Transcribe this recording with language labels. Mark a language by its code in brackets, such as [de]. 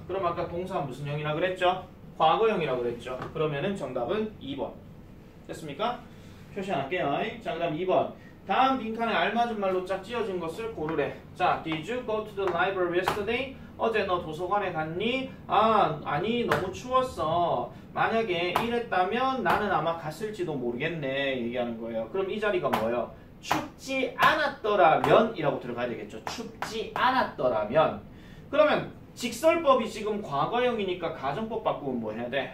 [ko] 그럼 아까 동사 무슨 형이라고 그랬죠? 과거형이라고 그랬죠? 그러면은 정답은 2번. 됐습니까? 표시할게요. 자, 그 다음 2번. 다음 빈칸에 알맞은 말로 짝 지어진 것을 고르래. [en] 자, Did you go to the library yesterday? [ko] 어제 너 도서관에 갔니? 아, 아니, 너무 추웠어. 만약에 이랬다면 나는 아마 갔을지도 모르겠네. 얘기하는 거예요. 그럼 이 자리가 뭐예요? 춥지 않았더라면 이라고 들어가야 되겠죠. 춥지 않았더라면. 그러면 직설법이 지금 과거형이니까 가정법 바꾸면 뭐 해야 돼?